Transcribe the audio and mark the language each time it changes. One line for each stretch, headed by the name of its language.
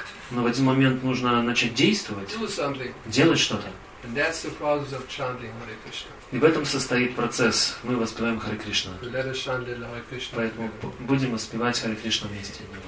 Russian: Но в один момент нужно начать действовать, делать что-то.
English: And that's the process of chanting Hare Krishna.
Russian: И в этом состоит процесс. Мы воспеваем Харе Кришна.
English: Let us chant the Hare Krishna.
Russian: Поэтому будем воспевать Харе Кришна вместе.